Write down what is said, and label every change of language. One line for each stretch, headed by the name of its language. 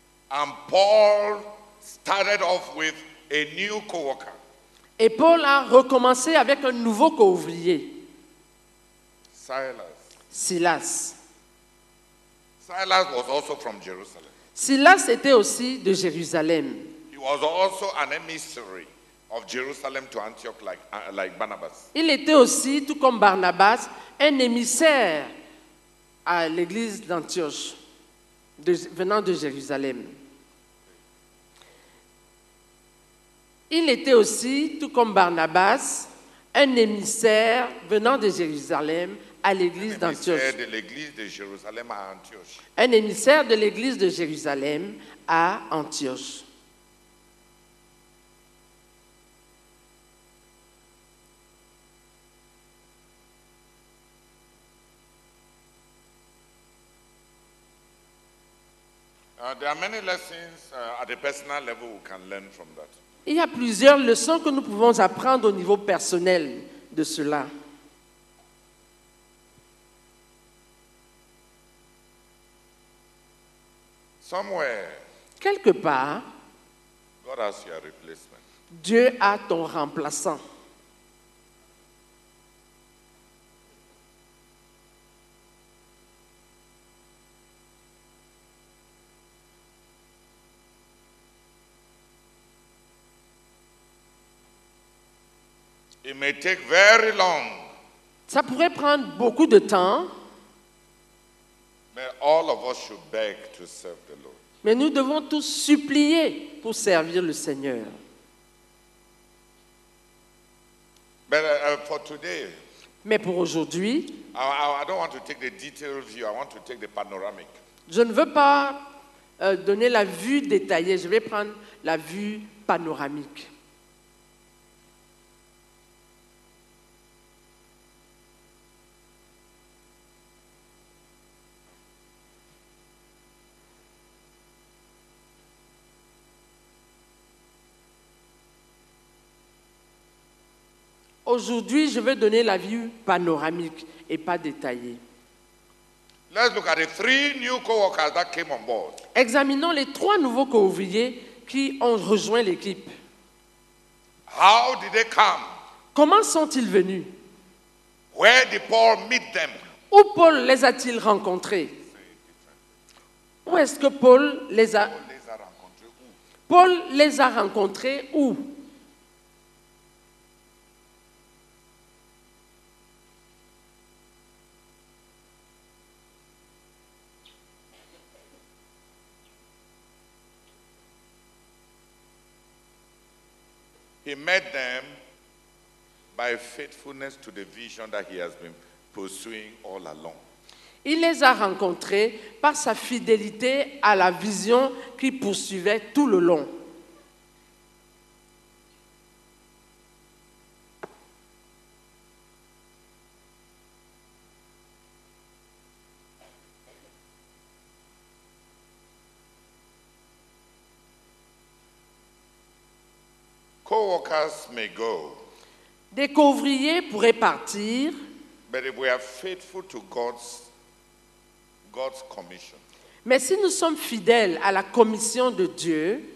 English: And Paul started off with a new co-worker.
French: Et Paul a recommencé avec un nouveau co-ouvrier.
English: Silas. Silas was also from Jerusalem.
French: Silas était aussi de Jérusalem.
English: He was also an emissary of Jerusalem to Antioch like Barnabas.
French: Il était aussi, tout comme Barnabas, un émissaire à l'église d'Antioche, venant de Jérusalem. Il était aussi, tout comme Barnabas, un émissaire venant de Jérusalem à l'église d'Antioche. De l'église de Jérusalem à Antioche. Un émissaire de l'église de Jérusalem à Antioche.
English: There are many lessons at a personal level we can learn from that.
French: Il y a plusieurs leçons que nous pouvons apprendre au niveau personnel de cela.
English: Somewhere,
French: quelque part,
English: God has your replacement.
French: Dieu a ton remplaçant.
English: It may take very long.
French: Ça pourrait prendre beaucoup de temps.
English: But all of us should beg to serve the Lord.
French: Mais nous devons tous supplier pour servir le Seigneur.
English: But for today,
French: mais pour aujourd'hui,
English: I don't want to take the detailed view. I want to take the panoramic.
French: Je ne veux pas donner la vue détaillée. Je vais prendre la vue panoramique. Aujourd'hui, je vais donner la vue panoramique et pas détaillée.
English: Let's look at the three new co-workers that came on board.
French: Examinons les trois nouveaux co-ouvriers qui ont rejoint l'équipe.
English: How did they come?
French: Comment sont-ils venus?
English: Where did Paul meet them?
French: Où Paul les a-t-il rencontrés? Où est-ce que Paul les a... Paul les a rencontrés où?
English: He met them by faithfulness to the vision that he has been pursuing all along.
French: Il les a rencontrés par sa fidélité à la vision qu'il poursuivait tout le long.
English: Co-workers may go.
French: Des co-ouvriers pourraient partir.
English: But if we are faithful to God's commission.
French: Mais si nous sommes fidèles à la commission de Dieu.